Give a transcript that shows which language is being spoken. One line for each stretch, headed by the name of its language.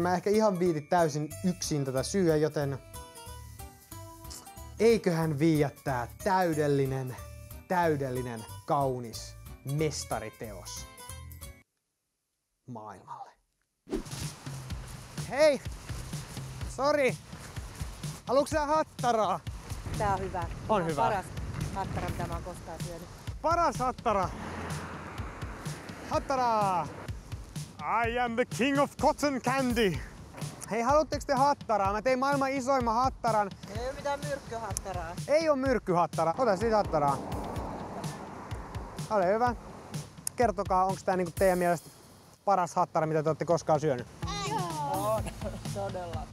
Finnish: Mä ehkä ihan viiti täysin yksin tätä syyä, joten eiköhän viiättää täydellinen, täydellinen, kaunis mestariteos maailmalle. Hei! Sori! Haluatko sä hattaraa? Tää on hyvä. On hyvä. Paras hattara, mitä mä oon koskaan syönyt. Paras hattara! Hattaraa!
English: I am the king of cotton candy!
Finnish: Hei, haluatteko te hattaraa? Mä tein maailman isoimman hattaran. Ei ole mitään myrkkyhattaraa. Ei ole myrkkyhattaraa. Ota siitä hattaraa. Ole hyvä. Kertokaa, onks tää niinku teidän mielestä paras hattara, mitä te olette koskaan syönyt? Joo! On, todella.